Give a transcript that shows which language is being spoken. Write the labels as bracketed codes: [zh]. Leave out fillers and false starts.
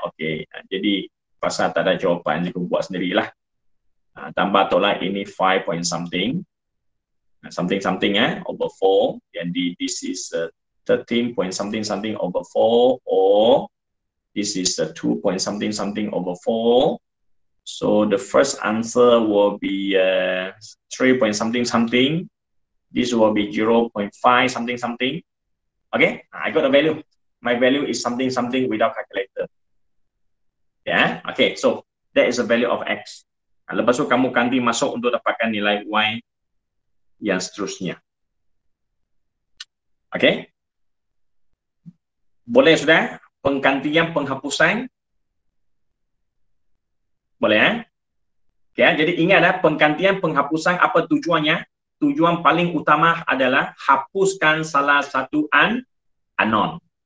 [ms] Okey, jadi pasal tak ada jawapan, jadi buat sendirilah. Tambah tolak ini 5 point something. [en] Something something eh, over 4, and this is 13 point something something over 4, or this is 2 point something something over 4. So the first answer will be 3 point something something. This will be 0.5 something something. Okay, I got the value. My value is something something without calculator. Yeah, okay, so that is the value of X. [ms] Lepas tu kamu ganti masuk untuk dapatkan nilai Y yang seterusnya. Okay? Boleh sudah? Penggantian penghapusan? Boleh ya? Eh? Okay, jadi ingatlah penggantian penghapusan apa tujuannya? Tujuan paling utama adalah hapuskan salah satu anon.